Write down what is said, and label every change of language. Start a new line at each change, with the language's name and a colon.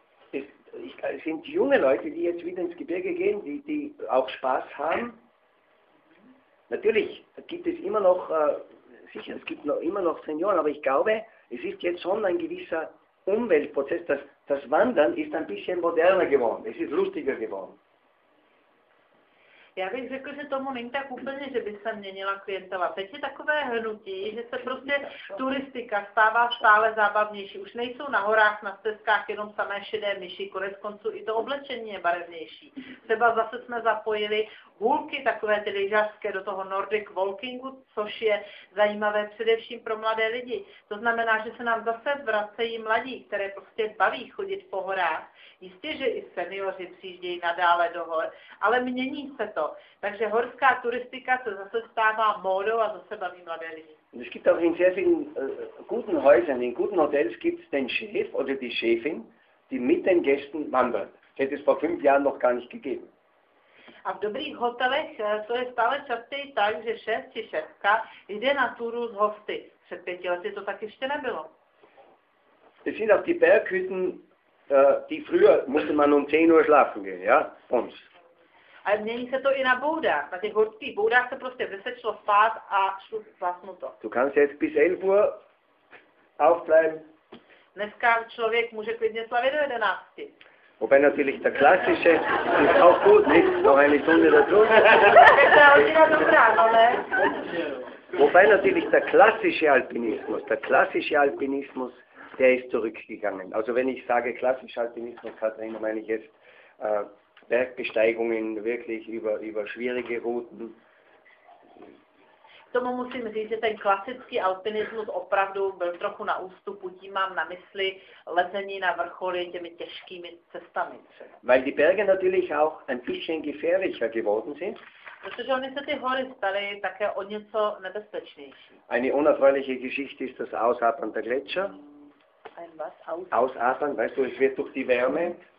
German: Es sind junge Leute, die jetzt wieder ins Gebirge gehen, die auch Spaß haben. Natürlich gibt es immer noch, sicher, es gibt noch, immer noch Senioren, aber ich glaube, es ist jetzt schon ein gewisser Umweltprozess, dass das Wandern ist ein bisschen moderner geworden, es ist lustiger geworden.
Czech: Já bych řekl, že tomu není tak úplně, že by se měnila klientela. Teď je takové hnutí, že se prostě turistika stává stále zábavnější. Už nejsou na horách, na stezkách jenom samé šedé myši, konec konců i to oblečení je barevnější. Třeba zase jsme zapojili hůlky, takové ty lyžařské, do toho Nordic Walkingu, což je zajímavé především pro mladé lidi. To znamená, že se nám zase vracejí mladí, které prostě baví chodit po horách. Jistě, že i seniori přijíždějí nadále do hor, ale mění se to. Takže horská turistika se zase stává módou a zase baví mladé lidi.
German: Es gibt auch in sehr vielen guten Häusern, in guten Hotels gibt es den Chef oder die Chefin, die mit den Gästen wandert. hätte es vor 5 Jahren noch gar nicht gegeben.
Czech: A v dobrých hotelech to je stále častěji tak, že šéf či šéfka jde na túru s hosty. Před 5 lety to tak ještě nebylo.
German: Es sind auch die Berghütten, die früher musste man um 10 Uhr schlafen gehen, ja, uns.
Czech: A mění se to i na boudách. Na těch horských boudách se prostě vysvět šlo spát a šlo vlastně to.
German: Du kannst jetzt bis 11 Uhr aufbleiben.
Czech: Dneska člověk může klidně slavit do 11.
German: Wobei natürlich der klassische ist auch gut, nicht? Noch eine Stunde dazu. Wobei natürlich der klassische Alpinismus, der ist zurückgegangen. Also wenn ich sage klassischer Alpinismus, Katharina, meine ich jetzt Bergbesteigungen wirklich über schwierige Routen.
Czech: Tomu musím říct, že ten klasický alpinismus opravdu byl trochu na ústupu, tím mám na mysli lezení na vrcholy těmi těžkými cestami.
German: Weil die Berge natürlich auch ein bisschen gefährlicher geworden sind.
Czech: Protože oni se ty hory staly také o něco nebezpečnější.
German: Eine unerfreuliche Geschichte ist das Ausatmen der Gletscher. Ein was? Ausatmen, weißt du, es wird durch die Wärme.